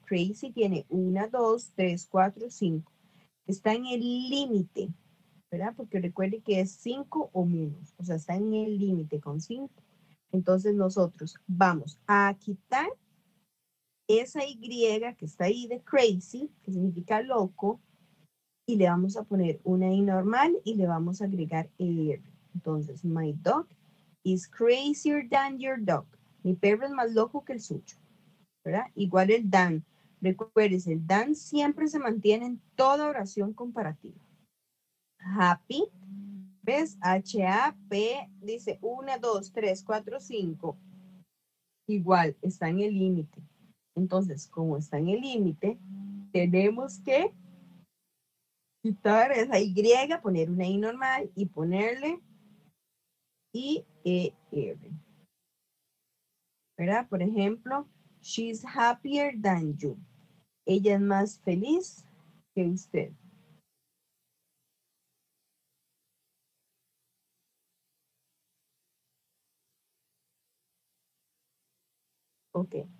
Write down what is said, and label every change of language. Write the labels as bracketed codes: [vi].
[es] Crazy tiene 1, 2, 3, 4, 5. Está en el límite, ¿verdad? Porque recuerde que es 5 o menos. O sea, está en el límite con 5. Entonces, nosotros vamos a quitar esa Y que está ahí de crazy, que significa loco. Y le vamos a poner una I normal y le vamos a agregar ER. Entonces, [en] my dog is crazier than your dog. [es] Mi perro es más loco que el suyo, ¿verdad? Igual el than. Recuerden, el than siempre se mantiene en toda oración comparativa. Happy. ¿Ves? H-A-P dice 1, 2, 3, 4, 5. Igual, está en el límite. Entonces, como está en el límite, tenemos que quitar esa Y, poner una I normal y ponerle IER. ¿Verdad? Por ejemplo, [en] she's happier than you. [es] Ella es más feliz que usted. Ok.